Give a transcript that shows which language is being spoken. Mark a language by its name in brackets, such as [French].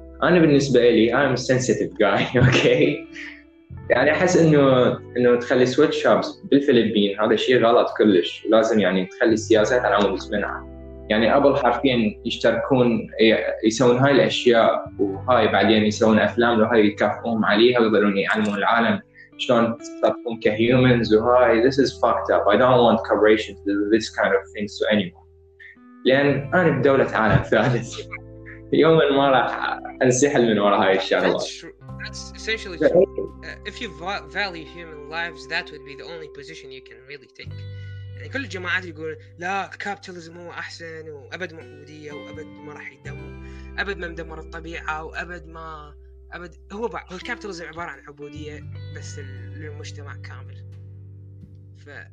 [Arabic] انا بالنسبه لي [English] am sensitive guy okay [Arabic] يعني احس انه تخلي سويت شوبس بالفلبين هذا شيء غلط كلش. لازم يعني تخلي السياسات على مود تمنع يعني ابل حرفيا يشتركون يسوون هاي الاشياء وهاي بعدين يسوون افلام وهاي يكافئون عليها ويقدرون يعلمون العالم شلون تصرفون كهيومنز وهاي. [English] This is fucked up. I don't want corporations to do this kind of things to anyone. [Arabic] لان انا بدولة عالم ثالث يوما ما راح انسحل من وراء هاي الشغلة. [English] That's essentially true. If you value human lives, that would be the only position you can really take. [Arabic] يعني كل الجماعات يقول لا الكابيتاليزم هو أحسن وأبد ما عبودية وأبد ما راح يدمر أبد ما مدمر الطبيعة وأبد ما أبد هو بقى هو الكابيتاليزم عبارة عن عبودية بس للمجتمع كامل. ف